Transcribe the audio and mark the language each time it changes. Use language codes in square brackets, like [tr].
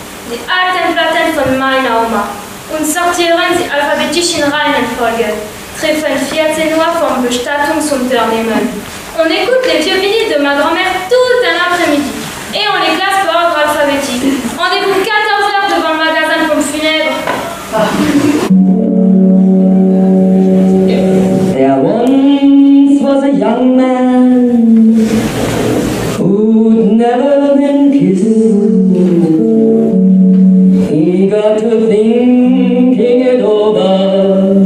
[de] Die alten Platten von meiner Oma. Und sortieren sie alphabetisch in Reihenfolge. Treffen 14 Uhr vom Bestattungsunternehmen. [fr] On écoute les vieux vinyles de ma grand-mère tout un après-midi. Et on les classe par ordre alphabétique. Rendez-vous 14 heures devant le magasin de pompes funèbres. [en] There once was a young man who'd never been kissed. He got to thinking it over.